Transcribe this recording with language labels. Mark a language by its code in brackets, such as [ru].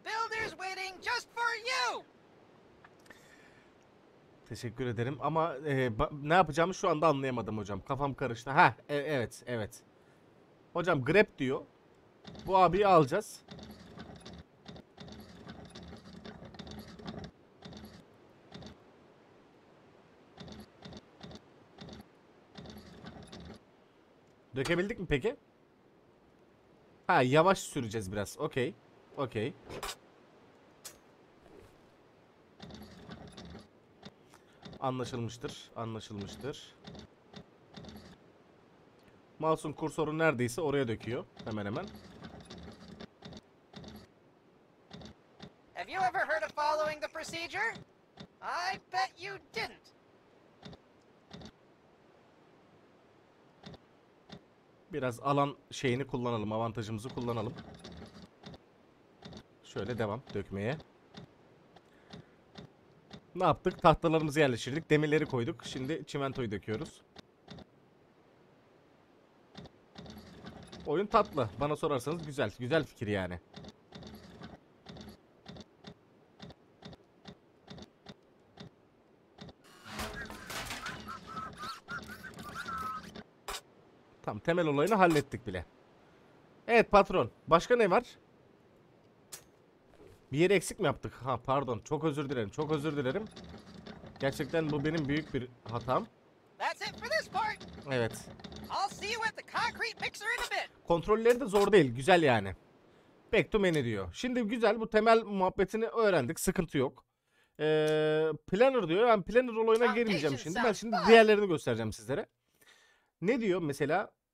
[en] Builders waiting just for you. [tr] Teşekkür ederim ama ne yapacağımı şu anda anlayamadım hocam. Kafam karıştı. Ha, evet, evet. Hocam grab diyor. Bu abiyi alacağız. Dökebildik mi peki? Ha, yavaş süreceğiz biraz. Okey. Okey. Anlaşılmıştır. Anlaşılmıştır. Mouse'un kursoru neredeyse oraya döküyor. Hemen hemen. [en] Have you ever heard of following the procedure? I bet you didn't. [tr] Biraz alan şeyini kullanalım, avantajımızı kullanalım. Şöyle devam dökmeye. Ne yaptık? Tahtalarımızı yerleştirdik, demirleri koyduk. Şimdi çimentoyu döküyoruz. Oyun tatlı. Bana sorarsanız güzel, güzel fikir yani. Tamam, temel olayını hallettik bile. Evet patron, başka ne var? Bir yeri eksik mi yaptık? Ha pardon, çok özür dilerim, çok özür dilerim. Gerçekten bu benim büyük bir hatam. [en] That's it for this part. [tr] Evet. [en] I'll see you at the concrete mixer in a bit. [tr] Kontrolleri de zor değil, güzel yani. [en] Back to menu [tr] diyor. Şimdi güzel, bu temel muhabbetini öğrendik, sıkıntı yok. Planner diyor, ben planner olayına girmeyeceğim şimdi. Ben şimdi diğerlerini göstereceğim sizlere. Ne diyor mesela?